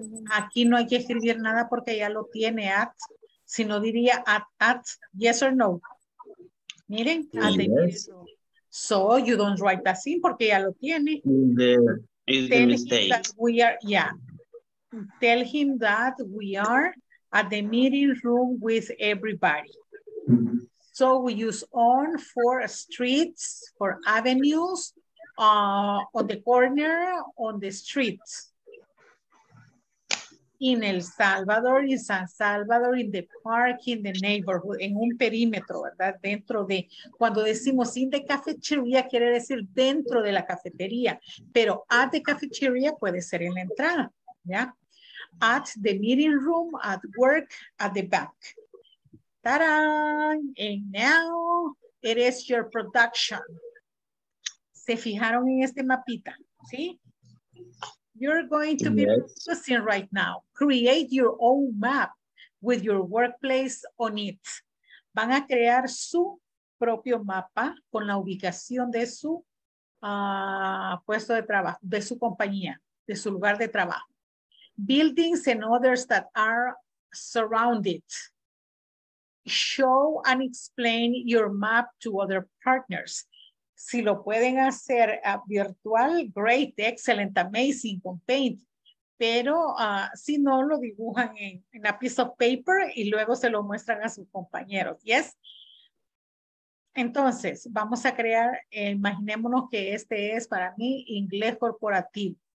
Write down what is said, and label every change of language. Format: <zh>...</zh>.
<es>Aquí no hay que escribir nada porque ya lo tiene at, sino diría at, yes or no.</es> <en>Miren, at the meeting room. So you don't write that in porque ya lo tiene. Tell him that we are at the meeting room with everybody. Mm-hmm. So we use on for streets, for avenues, on the corner, on the streets. In El Salvador, in San Salvador, in the park, in the neighborhood, en un perímetro, ¿verdad?</en> <es>Dentro de, cuando decimos in the cafeteria, quiere decir dentro de la cafetería, pero at the cafeteria puede ser en la entrada, ¿ya?</es> <en>At the meeting room, at work, at the bank. Ta-da! And now it is your production. ¿Se fijaron en este mapita? ¿Sí? You're going to be practicing right now. Create your own map with your workplace on it.</en> <es>Van a crear su propio mapa con la ubicación de su puesto de trabajo, de su compañía, de su lugar de trabajo.</es> <en>Buildings and others that are surrounded. Show and explain your map to other partners.</en> <es>Si lo pueden hacer virtual, great, excellent, amazing, con Paint. pero si no, lo dibujan en a piece of paper y luego se lo muestran a sus compañeros. ¿Yes? Entonces, vamos a crear, imaginémonos que este es para mí inglés corporativo.</es>